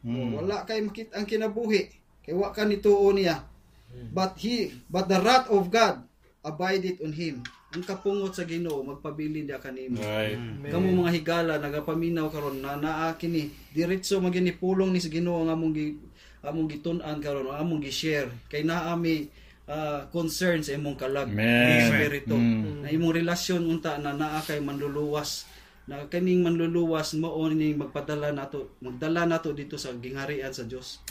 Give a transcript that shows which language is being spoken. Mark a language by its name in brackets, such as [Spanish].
[Cebuano] Wala kay makita ang kinabuhi, kay wa ka nituo niya. [English] But the wrath of God abideth on him. [Cebuano] Ang kapungot sa Ginoo magpabilin diya kanimo. Kamo mga higala nagapaminaw karon na naa kini diretso magini pulong ni sa Ginoo ang among gitun-an karon ang among gi-share kay naa mi concerns imong kalag espiritu na imong relasyon unta na naa kay manluluwas na kaning manluluwas mao ni magpadala nato magdala nato dito sa gingharian sa Dios.